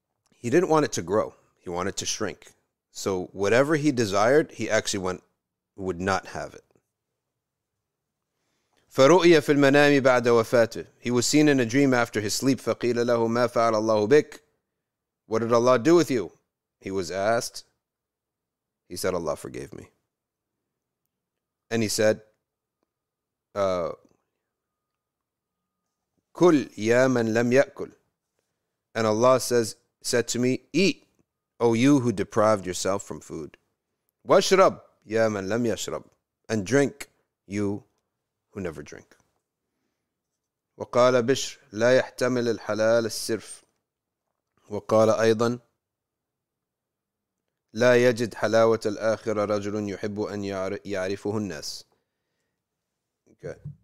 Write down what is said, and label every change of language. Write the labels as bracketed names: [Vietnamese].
[English] He didn't want it to grow. He wanted it to shrink. So whatever he desired, he actually would not have it. [Arabic] فَرُؤِيَ فِي الْمَنَامِ بَعْدَ وَفَاتِهِ. [English] He was seen in a dream after his sleep. [Arabic] فَقِيلَ لَهُ مَا فَعَلَ اللَّهُ بِكَ. [English] What did Allah do with you? He was asked. He said, Allah forgave me. And he said, [Arabic] كُلْ يَا مَنْ لَمْ يَأْكُلْ. [English] And Allah said to me, eat, O you who deprived yourself from food. [Arabic] وَشْرَبْ يَا مَنْ لَمْ يَشْرَبْ. [English] And drink, you who never drink. [Arabic] وَقَالَ بِشْرْ لَا يَحْتَمِلِ الْحَلَالَ السِّرْفِ. وَقَالَ أَيْضًا لَا يَجِدْ حَلَاوَةَ الْآخِرَ رَجُلٌ يُحِبُّ أَنْ يَعْرِفُهُ النَّاسِ. Okay.